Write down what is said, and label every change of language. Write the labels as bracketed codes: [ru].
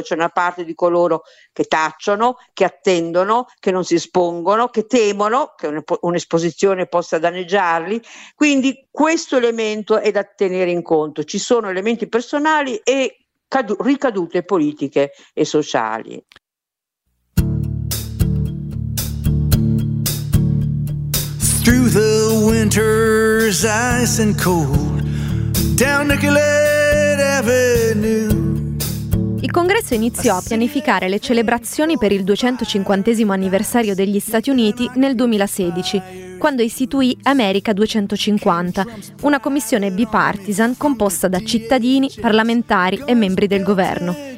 [it] C'è una parte di coloro che tacciono, che attendono, che non si espongono, che temono che un'esposizione possa danneggiarli. Quindi questo elemento è da tenere in conto. Ci sono elementi personali e ricadute politiche e sociali. [en] Through the winter's ice and cold, down Nicolet Avenue. [it] Il congresso iniziò a pianificare le celebrazioni per il 250° anniversario degli Stati Uniti nel 2016, quando istituì America 250, una commissione bipartisan composta da cittadini, parlamentari e membri del governo.